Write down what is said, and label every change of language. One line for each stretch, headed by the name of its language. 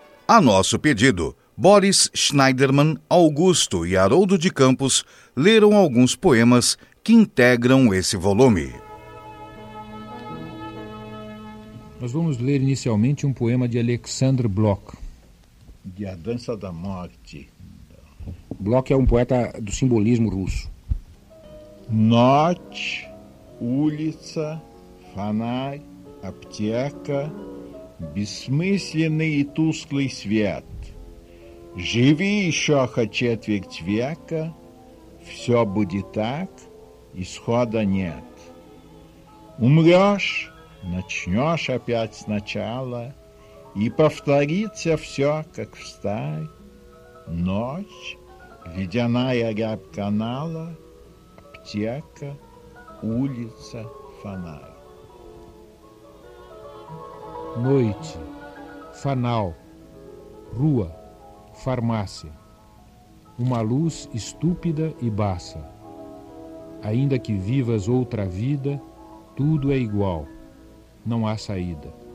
Portuguese: A nosso pedido, Boris Schneiderman, Augusto e Haroldo de Campos leram alguns poemas que integram esse volume. Nós vamos ler inicialmente um poema de Alexander Bloch. De A Dança da Morte. Bloch é um poeta do simbolismo russo.
Russian: Noite, ulica, фонарь, аптека, бессмысленный и тусклый свет. Живи еще хоть четверть века, все будет так, исхода нет. Умрешь, начнешь опять сначала, и повторится все, как встарь. Ночь, ледяная рябь канала, аптека, улица, фонарь.
Portuguese: Noite, fanal, rua, farmácia, uma luz estúpida e baça. Ainda que vivas outra vida, tudo é igual, não há saída.